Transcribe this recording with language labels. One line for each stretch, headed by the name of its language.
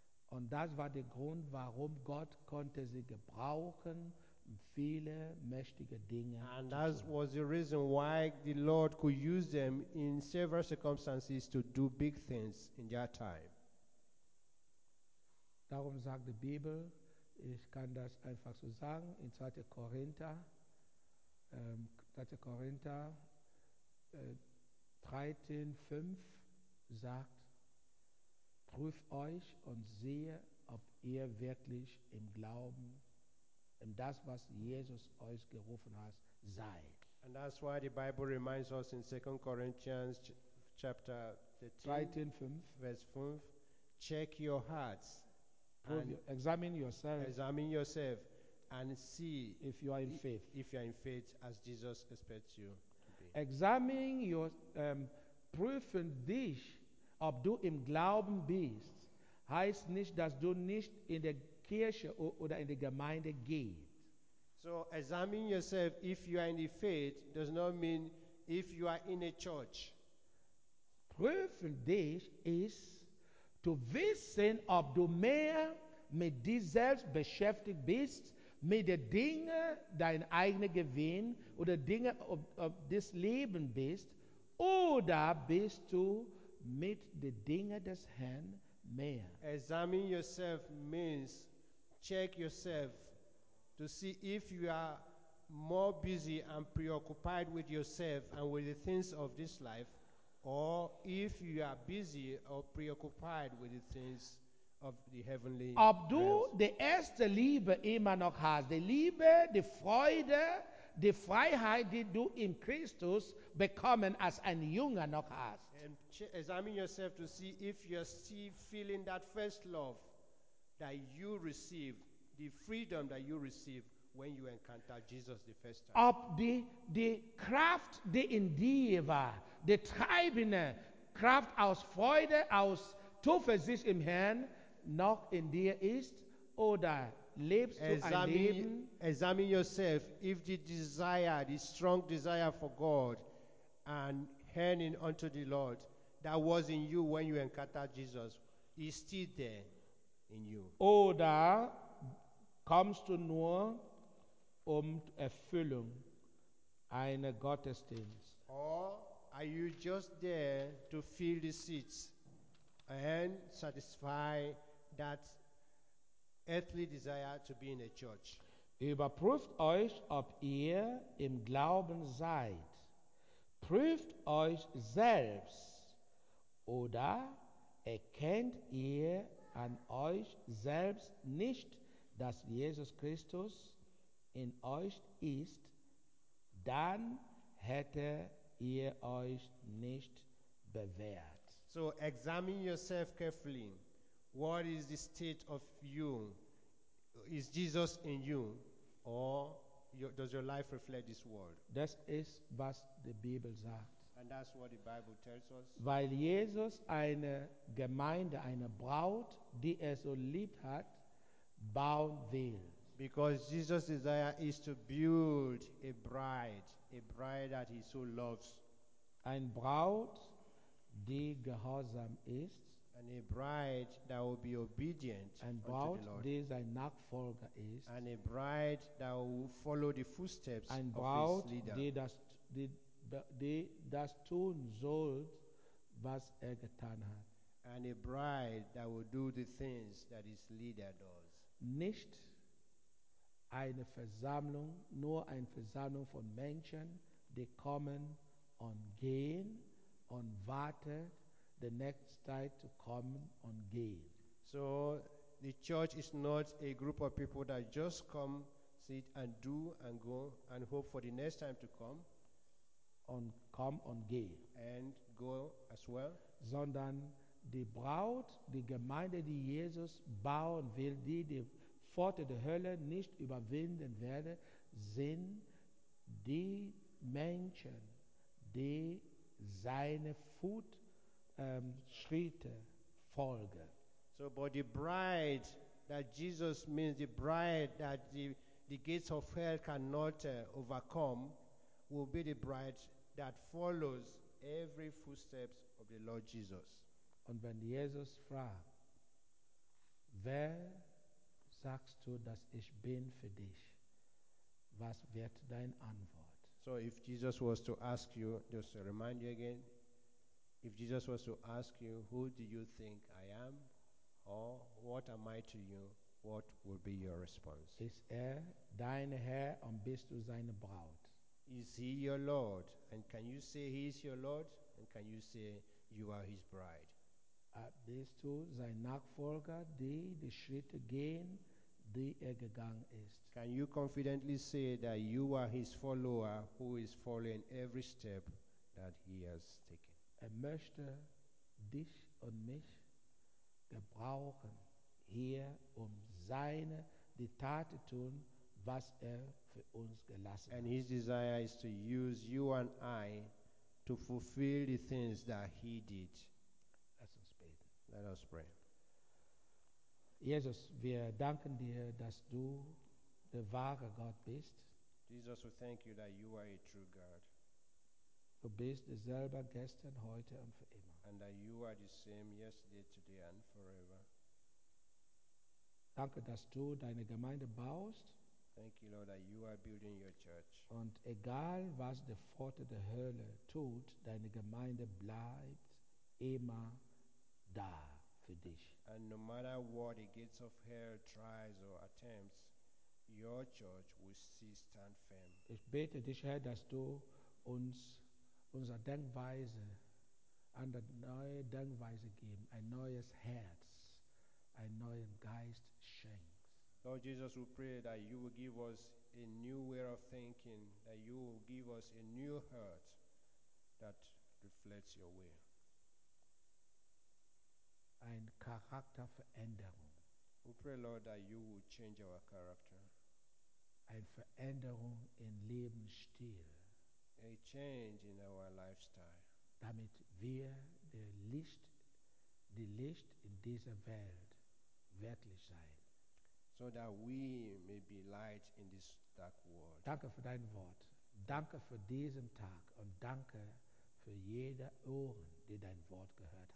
German: Und das war der Grund, warum Gott konnte sie gebrauchen, viele mächtige Dinge.
English: And that was the reason why the Lord could use them in several circumstances to do big things in their time.
German: Darum sagt die Bibel, ich kann das einfach so sagen, in 2. Korinther, 2. Korinther 13,5 sagt, prüft euch und sehe, ob ihr wirklich im Glauben, in das, was Jesus euch gerufen hat, seid.
English: And that's why the Bible reminds us in 2 Corinthians chapter 13:5, check your hearts. Examine yourself and see if you are in faith. If you are in faith as Jesus expects you to be.
German: Prüfen dich, ob du im Glauben bist, heißt nicht, dass du nicht in der Kirche oder in der Gemeinde geht.
English: So examine yourself if you are in the faith does not mean if you are in a church.
German: Prüfen dich ist, zu wissen, ob du mehr mit dir selbst beschäftigt bist, mit den Dingen, dein eigener Gewinn oder Dinge ob des Leben bist, oder bist du mit den Dingen des Herrn mehr.
English: Examine yourself means check yourself to see if you are more busy and preoccupied with yourself and with the things of this life, or if you are busy or preoccupied with the things of the heavenly.
German: Ob du die erste Liebe immer noch hast, die Liebe, die Freude, die Freiheit, die du in Christus bekommen als ein Jünger noch hast.
English: And examine yourself to see if you're still feeling that first love that you received, the freedom that you received when you encountered Jesus the first time.
German: Ob die Kraft, die in dir war, die treibende Kraft aus Freude, aus Zuversicht im Herrn, noch in dir ist, oder lebst du ein Leben?
English: Examine yourself if the desire, the strong desire for God and yearning unto the Lord that was in you when you encountered Jesus is still there in you.
German: Oder kommst du nur Erfüllung einer Gottesdienst?
English: Or are you just there to fill the seats and satisfy that earthly desire to be in a church?
German: Überprüft euch, ob ihr im Glauben seid. Prüft euch selbst, oder erkennt ihr an euch selbst nicht, dass Jesus Christus in euch ist? Dann hätte ihr euch nicht bewährt.
English: So examine yourself carefully. What is the state of you? Is Jesus in you? Or does your life reflect this world?
German: Das ist, was die Bibel sagt.
English: And that's what the Bible tells us.
German: Weil Jesus eine Gemeinde, eine Braut, die er so liebt hat, bauen will.
English: Because Jesus' desire is to build a bride that he so loves.
German: Ein Braut, die gehorsam ist.
English: And a bride that will be obedient unto the Lord.
German: Die sein Nachfolger ist.
English: And a bride that will follow the footsteps and of his leader.
German: Die das tun soll, was getan hat.
English: And a bride that will do the things that his leader does.
German: Nicht eine Versammlung, nur eine Versammlung von Menschen, die kommen und gehen und warten,
English: the next time to come on gain. So the church is not a group of people that just come, sit and do and go and hope for the next time to come on, come on gain and go as well.
German: Sondern die Braut, die Gemeinde, die Jesus bauen will, die Pforte der Hölle nicht überwinden werde, sind die Menschen, die seine Fuß Schritte folge.
English: So, but the bride that Jesus means, the bride that the gates of hell cannot overcome, will be the bride that follows every footsteps of the Lord Jesus.
German: Und wenn Jesus fragt, wer sagst du, dass ich bin für dich? Was wird dein Antwort?
English: So, if Jesus was to ask you, just to remind you again, if Jesus was to ask you, who do you think I am? Or what am I to you? What would be your response?
German: Ist dein Herr und bist du seine Braut?
English: Is he your Lord? And can you say he is your Lord? And can you say you are his bride?
German: Bist du sein Nachfolger, die Schritte gehen, die gegangen ist?
English: Can you confidently say that you are his follower who is following every step that he has taken?
German: Möchte dich und mich gebrauchen hier, seine die Tat tun, was für uns gelassen
English: hat. And his desire is to use you and I to fulfill the things that he did. Let us pray. Let us pray.
German: Jesus, wir danken dir, dass du der wahre Gott bist.
English: Jesus, we thank you that you are a true God.
German: Du bist derselbe gestern, heute und für immer.
English: And that you are the same yesterday, today and forever.
German: Danke, dass du deine Gemeinde baust.
English: Thank you, Lord, that you are building your church.
German: Und egal, was der Pforte der Hölle tut, deine Gemeinde bleibt immer da für dich.
English: And no matter what the gates of hell tries or attempts, your church will still stand firm.
German: Ich bete dich, Herr, dass du uns unsere Denkweise, eine neue Denkweise geben, ein neues Herz, ein neuen Geist schenkst.
English: Lord Jesus, we pray that you will give us a new way of thinking, that you will give us a new heart that reflects your will.
German: Ein Charakterveränderung.
English: We pray, Lord, that you will change our character.
German: Eine Veränderung in Lebensstil.
English: A change in our lifestyle.
German: Damit wir die Licht in dieser Welt wirklich sein.
English: So that we may be light in this dark world.
German: Danke für dein Wort. Danke für diesen Tag. Und danke für jede Ohren, die dein Wort gehört hat.